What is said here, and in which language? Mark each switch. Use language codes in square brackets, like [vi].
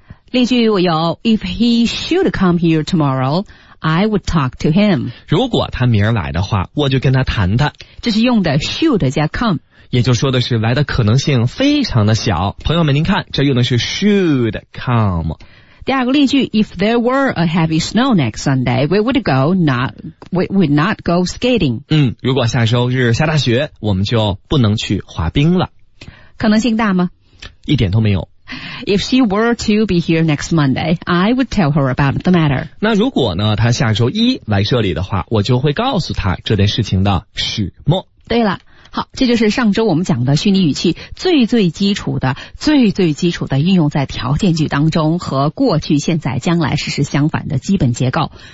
[zh] 例句有 [en] if he should come here tomorrow，I would talk to him。 [zh] 如果他明儿来的话，我就跟他谈谈。这是用的 should 加 come，也就说的是来的可能性非常的小。朋友们您看，这用的是 should come。第二个例句， [en] If there were a heavy snow next Sunday We would not go skating。 [zh] 如果下周日下大雪，我们就不能去滑冰了。可能性大吗？一点都没有。 [en] If she were to be here next Monday, I would tell her about the matter. [zh] 那如果呢，她下周一来这里的话，我就会告诉她这件事情的始末。对了，好，这就是上周我们讲的虚拟语气最最基础的、最最基础的运用在条件句当中，和过去、现在、将来事实相反的基本结构。